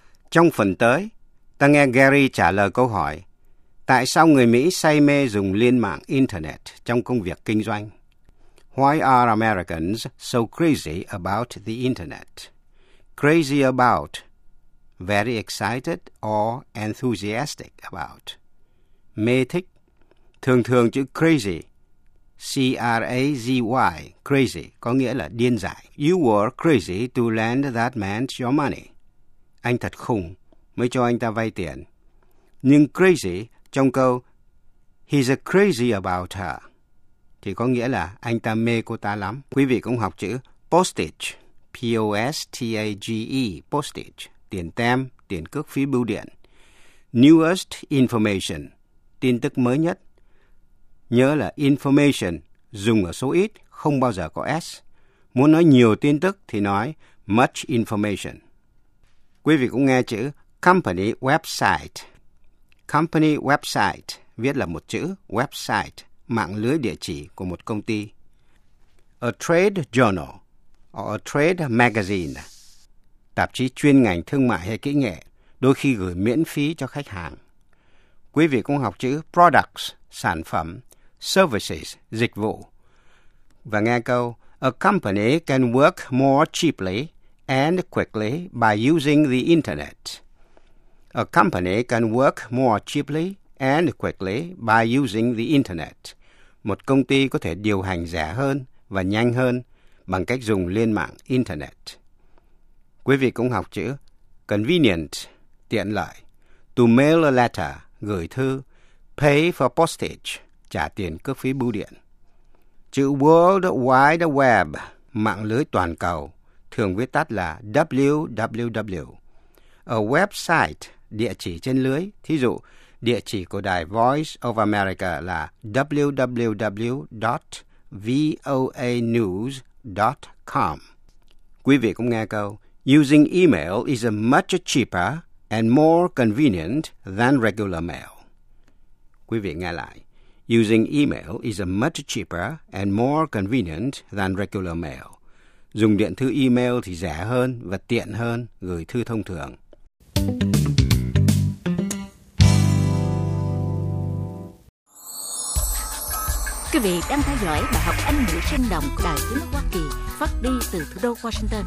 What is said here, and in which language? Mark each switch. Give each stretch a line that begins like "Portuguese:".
Vietnamese: Trong phần tới, ta nghe Gary trả lời câu hỏi tại sao người Mỹ say mê dùng liên mạng Internet trong công việc kinh doanh?
English: Why are Americans so crazy about the Internet? Crazy about, very excited or enthusiastic about.
Vietnamese: Mê thích, thường thường chữ crazy, C-R-A-Z-Y, crazy, có nghĩa là điên dại.
English: You were crazy to lend that man your money.
Vietnamese: Anh thật khùng mới cho anh ta vay tiền. Nhưng crazy trong câu
English: he's a crazy about her
Vietnamese: thì có nghĩa là anh ta mê cô ta lắm. Quý vị cũng học chữ postage, P-O-S-T-A-G-E, postage, tiền tem, tiền cước phí bưu điện.
English: Newest information,
Vietnamese: tin tức mới nhất. Nhớ là information dùng ở số ít, không bao giờ có S. Muốn nói nhiều tin tức thì nói
English: much information.
Vietnamese: Quý vị cũng nghe chữ company website. Company website viết là một chữ website, mạng lưới địa chỉ của một công ty.
English: A trade journal or a trade magazine,
Vietnamese: tạp chí chuyên ngành thương mại hay kỹ nghệ, đôi khi gửi miễn phí cho khách hàng. Quý vị cũng học chữ products, sản phẩm, services, dịch vụ. Và nghe câu,
English: a company can work more cheaply and quickly by using the internet. A company can work more cheaply and quickly by using the internet.
Vietnamese: Một công ty có thể điều hành rẻ hơn và nhanh hơn bằng cách dùng liên mạng internet. Quý vị cũng học chữ convenient, tiện lợi.
English: To mail a letter,
Vietnamese: gửi thư.
English: Pay for postage,
Vietnamese: trả tiền cước phí bưu điện. Chữ World Wide Web, mạng lưới toàn cầu, thường viết tắt là www. A website, địa chỉ trên lưới. Thí dụ, địa chỉ của đài Voice of America là www.voanews.com. Quý vị cũng nghe câu,
English: using email is much cheaper and more convenient than regular mail.
Vietnamese: Quý vị nghe lại.
English: Using email is a much cheaper and more convenient than regular mail.
Vietnamese: Dùng điện thư email thì rẻ hơn và tiện hơn gửi thư thông thường. Quý vị đang theo dõi bài học Anh ngữ sinh động của Đài Tiếng nói Hoa Kỳ phát đi từ thủ đô Washington.